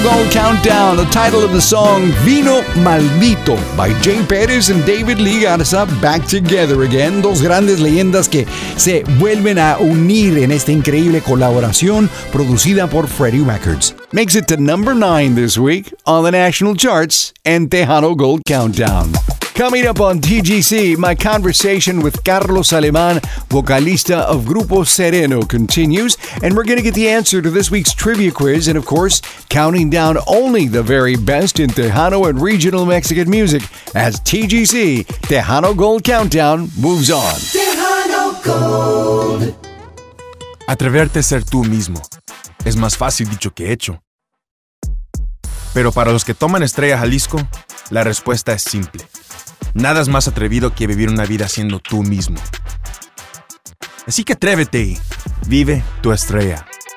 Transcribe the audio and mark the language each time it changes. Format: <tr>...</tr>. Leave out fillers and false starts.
<en>Countdown, the title of the song, Vino Maldito, by Jay Perez and David Lee Garza, back together again.</en> <es>Dos grandes leyendas que se vuelven a unir en esta increíble colaboración producida por Freddie Records.</es> <en>makes it to number 9 this week on the national charts and Tejano Gold Countdown. Coming up on TGC, my conversation with Carlos Alemán, vocalista of Grupo Sereno, continues, and we're going to get the answer to this week's trivia quiz, and of course, counting down only the very best in Tejano and regional Mexican music as TGC, Tejano Gold Countdown, moves on. Tejano Gold.</en> <es>Atreverte a ser tú mismo es más fácil dicho que hecho. Pero para los que toman Estrella Jalisco, la respuesta es simple. Nada es más atrevido que vivir una vida siendo tú mismo. Así que atrévete y vive tu estrella.</es>